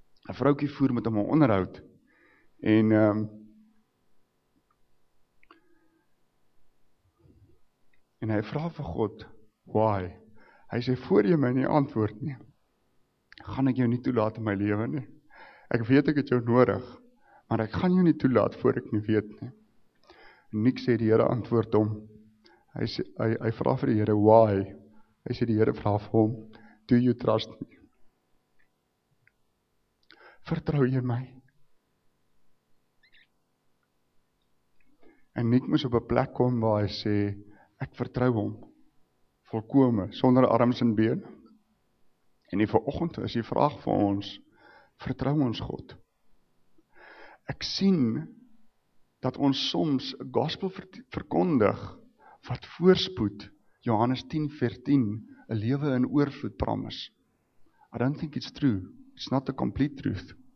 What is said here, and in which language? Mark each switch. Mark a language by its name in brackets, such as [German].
[Afrikaans] 'N Vroutjie voer met hom 'n onderhoud en en hy vra vir God, why? Hy sê, voor jy my nie antwoord nie, gaan ek jou nie toelaat in my lewe nie. Ek weet ek het jou nodig, maar ek gaan jou nie toelaat voor ek nie weet nie. Nick sê die Here antwoord hom, hy vra vir die Here, why? Hy sê die Here vra vir hom, [English] do you trust me? [Afrikaans] Vertrou jy my? En Nick moes op 'n plek kom waar hy sê, ek vertrou hom, volkome, sonder arms en been. En die vanoggend is die vraag vir ons, vertrou ons God? Ek sien, dat ons soms gospel verkondig, wat voorspoed, Johannes 10 vers 10, 'n lewe in oorvloed promis. [English] I don't think it's true, it's not a complete truth.